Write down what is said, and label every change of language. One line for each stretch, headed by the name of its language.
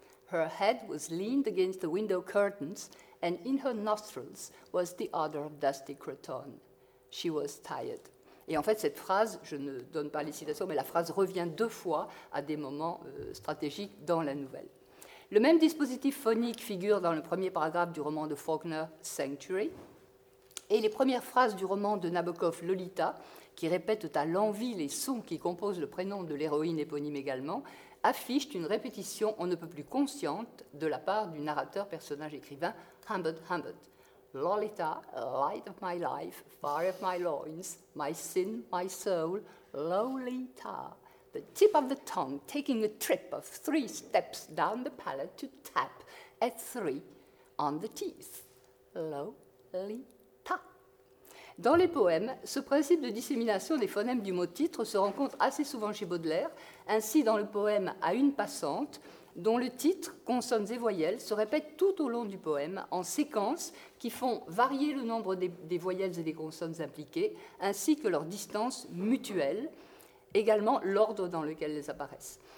English: Her head was leaned against the window curtains, and in her nostrils was the odor of dusty croton. She was tired.
French: » Et en fait, cette phrase, je ne donne pas les citations, mais la phrase revient deux fois à des moments stratégiques dans la nouvelle. Le même dispositif phonique figure dans le premier paragraphe du roman de Faulkner, Sanctuary, et les premières phrases du roman de Nabokov, Lolita, qui répètent à l'envi les sons qui composent le prénom de l'héroïne éponyme également, affichent une répétition on ne peut plus consciente de la part du narrateur, personnage, écrivain, Humbert Humbert.
English: Lolita, light of my life, fire of my loins, my sin, my soul, Lolita, the tip of the tongue taking a trip of three steps down the palate to tap at three on the teeth. Lolita.
French: Dans les poèmes, ce principe de dissémination des phonèmes du mot-titre se rencontre assez souvent chez Baudelaire, ainsi dans le poème « À une passante », dont le titre, consonnes et voyelles, se répète tout au long du poème en séquences qui font varier le nombre des voyelles et des consonnes impliquées, ainsi que leur distance mutuelle, également l'ordre dans lequel elles apparaissent.